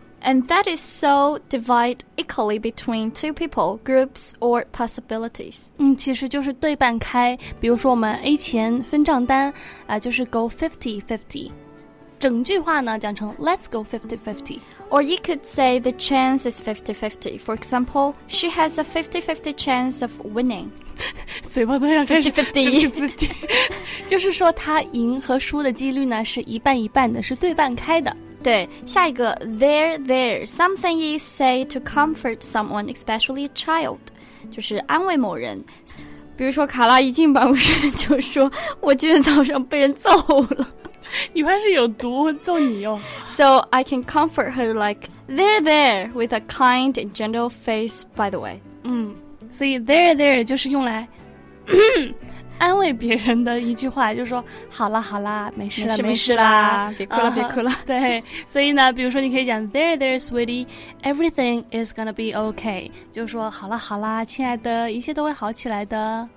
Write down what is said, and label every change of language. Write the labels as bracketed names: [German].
[English] And that is so divide equally between two people, groups or possibilities. [Chinese] 其实就是对半开，比如说我们 A 钱分账单，就是 go 50-50. 整句话呢讲成 [English] let's go 50-50. Or you could say the chance is 50-50. For example, she has a 50-50 chance of winning. [Chinese] 嘴巴都要开始 [English] 50-50 [Chinese] 就是说他赢和输的几率呢是一半一半的，是对半开的。对，下一个 [English] there there, something you say to comfort someone, especially a child, [Chinese] 就是安慰某人。比如说卡拉一进办公室就说我今天早上被人揍了。女孩是有毒，揍你哦。 [English] So I can comfort her like there there with a kind and gentle face, by the way. [Chinese] 所以 there there 就是用来安慰别人的一句话，就说好了好了，没事了没事了，别哭了别哭了。对，所以呢，比如说你可以讲 [English] There there sweetie, everything is gonna be okay, [Chinese] 就说好了好了，亲爱的，一切都会好起来的。